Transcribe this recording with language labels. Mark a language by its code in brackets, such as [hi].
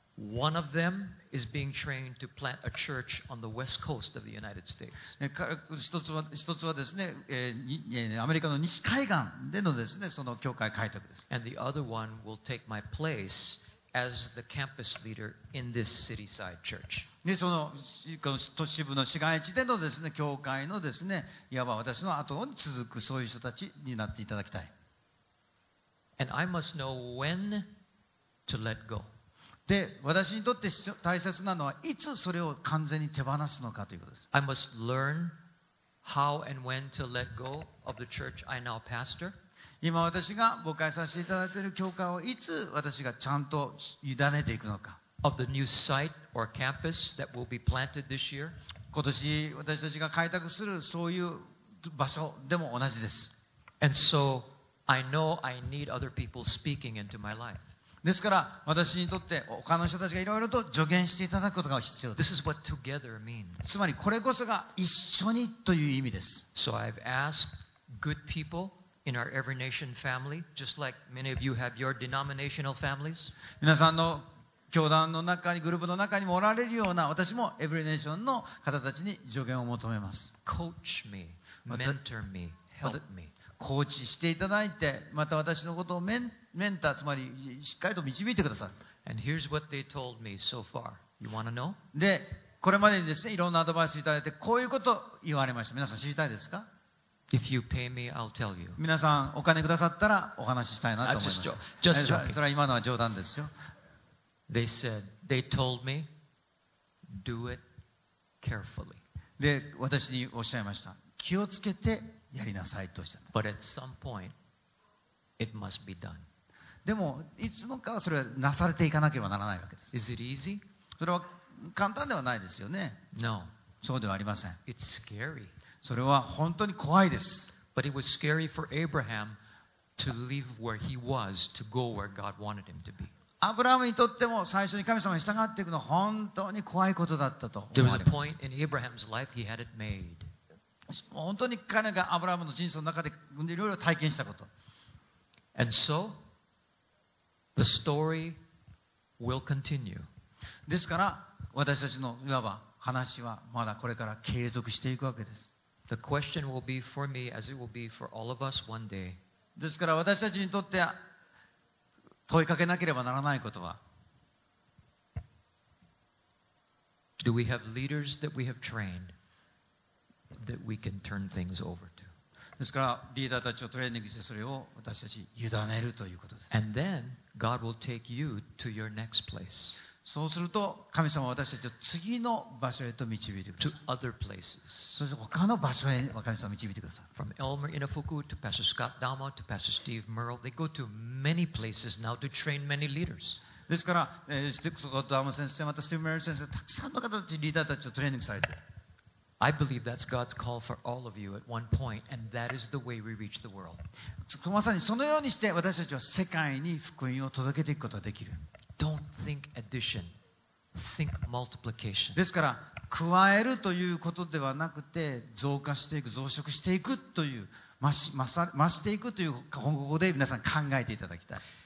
[en] One of them is being trained to plant a church on the west coast of the United States. [ja] 一つはですね、アメリカの西海岸でのですね、その教会開拓です。 [en] And the other one will take my place. As the campus leader in this cityside church. [ja] でその都市部の市街地でのですね教会のですねいわば私の後に続くそういう人たちになっていただきたい。 [en] And I must know when to let go. [ja] で私にとって大切なのはいつそれを完全に手放すのかということです。 [en] I must learn how and when to let go of the church I now pastor. [ja] 今私が誤解させていただいている教会をいつ私がちゃんと委ねていくのか。 [en] Of the new site or campus that will be planted this year. [ja] 今年私たちが開拓するそういう場所でも同じです。 [en] And so I know I need other people speaking into my life. [ja] ですから私にとって他の人たちがいろいろと助言していただくことが必要です。 [en] This is what together means. [ja] つまりこれこそが一緒にという意味です。 [en] So I've asked good people. In our every nation family, just like many of you have your denominational families. [ja] 皆さんの教団の中にグループの中にもおられるような私も every nation の方たちに助言を求めます。 [en] Coach me, mentor me, help me. [ja] コーチしていただいて、また私のことをメンター、つまりしっかりと導いてください。 [en] And here's what they told me so far. You want to know? [ja] で、これまでにですね、いろんなアドバイスをいただいて、こういうことを言われました。皆さん知りたいですか？ [en] If you pay me, I'll tell you. [ja] 皆さんお金くださったらお話ししたいなと思います。 [en] Just joking. [ja] それは今のは冗談ですよ。 [en] They said, they told me, do it carefully. [ja] で、私におっしゃいました。気をつけてやりなさいとおっしゃった。 [en] But at some point, it must be done. [ja] でも、いつのかはそれはなされていかなければならないわけです。 [en] Is it easy? [ja] それは簡単ではないですよね。 [en] No. [ja] そうではありません。 [en] It's scary. [ja] それは本当に怖いです。 [en] But it was scary for Abraham to leave where he was to go where God wanted him to be. [ja] アブラハムにとっても最初に神様に従っていくのは本当に怖いことだったと思います。 [en] There was a point in Abraham's life he had it made. [ja] 本当に彼がアブラハムの人生の中でいろいろ体験したこと。 [en] And so, the story will continue. [ja] ですから私たちのいわば話はまだこれから継続していくわけです。 [en] The question will be for me as it will be for all of us one day. [ja] ですから私たちにとって問いかけなければならないことは、 [en] Do we have leaders that we have trained that we can turn things over to? [ja] ですからリーダーたちをトレーニングしてそれを私たちに委ねるということです。 [en] And then God will take you to your next place. [ja] そうすると神様は私たちを次の場所へと導いてください。 [en] To other places. [ja] そして他の場所へ神様を導いてください。 [en] From Elmer Inafuku to Pastor Scott Dama to Pastor Steve Merle, they go to many places now to train many leaders. [ja] ですから、スティック・ダーマ先生、またスティーブ・メル先生、たくさんの方たち、リーダーたちをトレーニングされている。 [en] I believe that's God's call for all of you at one point, and that is the way we reach the world. [ja] まさにそのようにして私たちは世界に福音を届けていくことができる。 [en] Don't think addition. Think multiplication. [ja] ですから加えるということではなくて増加していく増殖していくという増していくという方向で皆さん考えていただきたい。